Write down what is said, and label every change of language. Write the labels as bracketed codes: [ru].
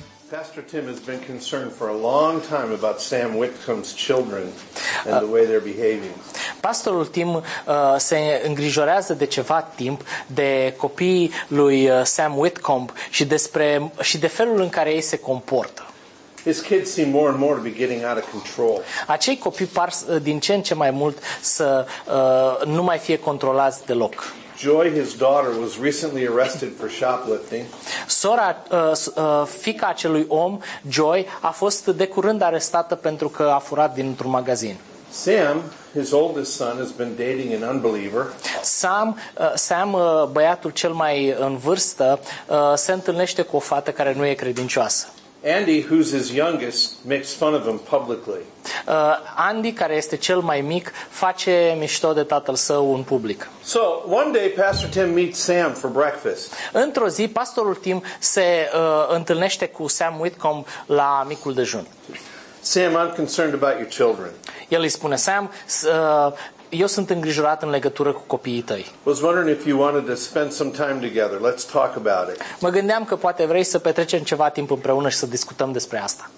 [en] Pastor Tim has been concerned for a long time about Sam Whitcomb's children and the way they're behaving. [ro] Pastorul Tim se îngrijorează de ceva timp de copiii lui Sam Whitcomb și despre și de felul în care ei se comportă. [en] His kids seem more and more to be getting out of control. [ro] Acei copii par din ce în ce mai mult să nu mai fie controlați deloc. [en] Joy, his daughter, was recently arrested for shoplifting. [ro] Sora, fiica acelui om, Joy, a fost de curând arestată pentru că a furat dintr-un magazin. [en] Sam, his oldest son, has been dating an unbeliever. [ro] Sam, băiatul cel mai în vârstă, se întâlnește cu o fată care nu e credincioasă. [en] Andy, who's his youngest, makes fun of him publicly. [ro] Andy, care este cel mai mic, face mișto de tatăl său în public. [en] So, one day Pastor Tim meets Sam for breakfast. [ro] Într-o zi, pastorul Tim se întâlnește cu Sam Whitcomb la micul dejun. [en] Sam, I'm concerned about your children. [ro] El îi spune, Sam, eu sunt îngrijorat în legătură cu copiii tăi. [en] Was wondering if you wanted to spend some time together. Let's talk about it. [ro] Mă gândeam că poate vrei să petrecem ceva timp împreună și să discutăm despre asta.